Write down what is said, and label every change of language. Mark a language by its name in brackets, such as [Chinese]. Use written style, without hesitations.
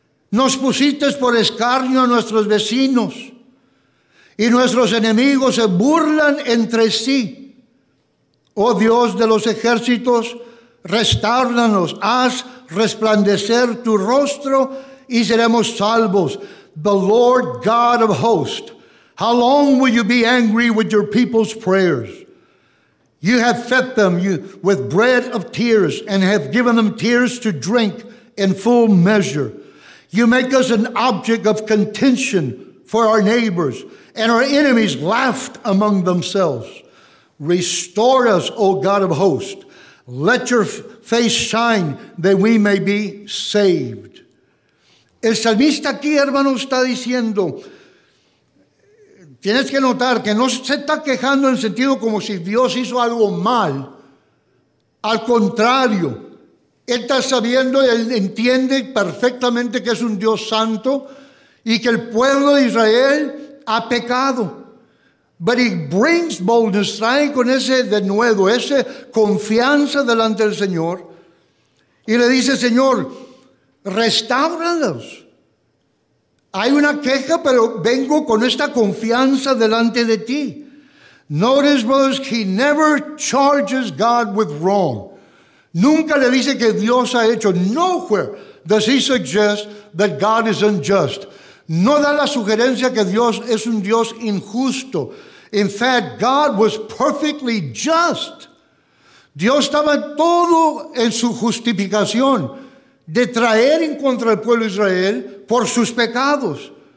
[Spanish] Nos pusiste por escarnio a nuestros vecinos y nuestros enemigos se burlan entre sí. Oh Dios de los ejércitos, restáurnanos, haz resplandecer tu rostro y seremos salvos. [English] The Lord God of hosts, how long will you be angry with your people's prayers? You have fed them with bread of tears and have given them tears to drink in full measure. You make us an object of contention for our neighbors, and our enemies laughed among themselves. Restore us, O God of hosts. Let your face shine that we may be saved. [Spanish] El salmista aquí, hermano, está diciendo, tienes que notar que no se está quejando en el sentido como si Dios hizo algo mal. Al contrario, él está sabiendo, él entiende perfectamente que es un Dios santo y que el pueblo de Israel ha pecado. [English] But he brings boldness, [Spanish] trae con ese denuedo, ese confianza delante del Señor, y le dice: Señor, restáuralos. Hay una queja, pero vengo con esta confianza delante de ti. [English] Notice, brothers, he never charges God with wrong. [Spanish] Nunca le dice que Dios ha hecho. [English] Nowhere does he suggest that God is unjust. [Spanish] No da la sugerencia que Dios es un Dios injusto. [English] In fact, God was perfectly just. [Spanish] Dios estaba todo en su justificación de traer en contra del pueblo de Israel por sus pecados.